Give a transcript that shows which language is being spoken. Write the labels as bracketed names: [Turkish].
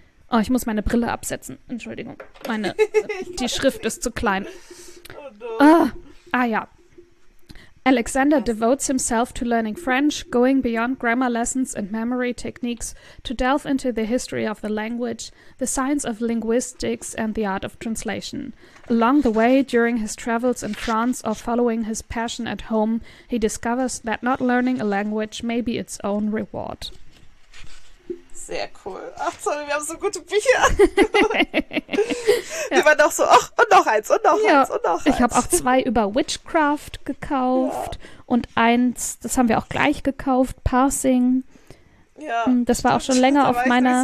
[German] Oh, ich muss meine Brille absetzen. Entschuldigung. Die Schrift ist zu klein. [English] Oh no. [German] Ah ja. [English] Alexander devotes himself to learning French, going beyond grammar lessons and memory techniques to delve into the history of the language, the science of linguistics, and the art of translation. Along the way, during his travels in France or following his passion at home, he discovers that not learning a language may be its own reward. [German] Sehr cool. Ach toll, wir haben so gute Bücher. Die waren auch so, ach, und noch eins, und noch eins, und noch eins. Ich habe auch zwei über Witchcraft gekauft und eins, das haben wir auch gleich gekauft, Parsing. Ja. Das war auch schon länger auf meiner...